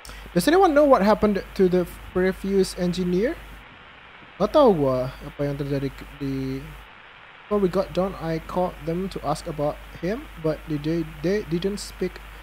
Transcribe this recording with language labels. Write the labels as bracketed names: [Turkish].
[English] Does anyone know what happened to the previous engineer? [Indonesian] Gak tau gua apa yang terjadi di... [English] Before we got down, I called them to ask about him, but they didn't speak.